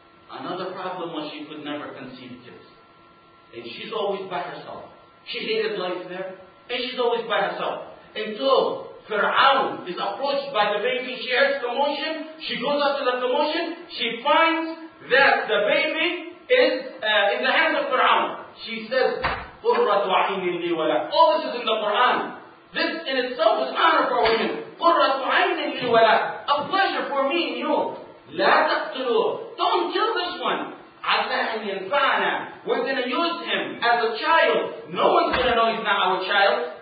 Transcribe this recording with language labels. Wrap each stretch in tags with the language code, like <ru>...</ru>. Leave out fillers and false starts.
<en>Another problem was she could never conceive kids. And she's always by herself. She hated life there, and she's always by herself. Until Fir'aun is approached by the baby, she hears commotion, she goes up to the commotion, she finds that the baby is in the hands of Fir'aun. She says,</en> <ar>قُرَّةُ عَيْنٍ لِي وَلَكَ.</ar> <en>All this is in the Quran. This in itself is honor for women.</en> <ar>قُرَّةُ عَيْنٍ لِي وَلَكَ.</ar> <en>A pleasure for me and you.</en> <ar>لا تقتلوه.</ar> <en>Don't kill this one.</en> <ar>عسى أن ينفعنا.</ar> <en>We're going to use him as a child. No one's going to know he's not our child.</en>